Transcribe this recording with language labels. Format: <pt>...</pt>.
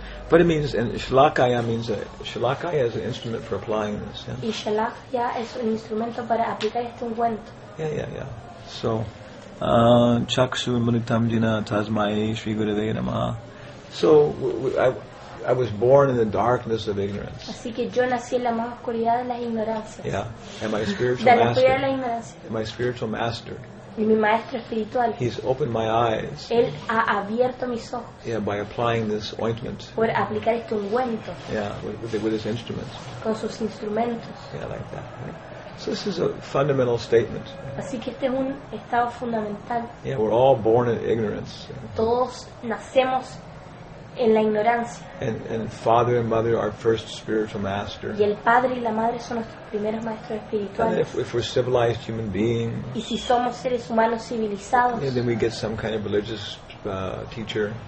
<en>But it means, and shalakaya means, shalakaya is an instrument for applying this. Yeah?</en> <es>Y shalakaya es un instrumento para aplicar este ungüento.</es> <en>Yeah, yeah, yeah. So,</en> <sa>chakshu munitam jina tasmai shri gurave namah.</sa> <en>So, I was born in the darkness of ignorance.</en> <es>Así que yo nací en la más oscuridad de las ignorancias.</es> <en>Yeah, and my spiritual master.</en> <es>De la oscuridad de la ignorancia.</es> <en>My spiritual master.</en> <es>Y mi maestro espiritual.</es> <en>He's opened my eyes.</en> <es>Él ha abierto mis ojos.</es> <en>Yeah, by applying this ointment.</en> <es>Por aplicar este ungüento.</es> <en>Yeah, with his instruments.</en> <es>Con sus instrumentos.</es> <en>Yeah, like that. Right? So this is a fundamental statement.</en> <es>Así que este es un estado fundamental.</es> <en>Yeah, we're all born in ignorance.</en> <es>Todos nacemos en la ignorancia.</es> <en>And father and mother are first spiritual master.</en> <es>Y el padre y la madre son nuestros primeros maestros espirituales.</es> <en>And if we're civilized human beings.</en> <es>Y si somos seres humanos civilizados.</es> <en>Yeah, then we get some kind of religious teacher.</en>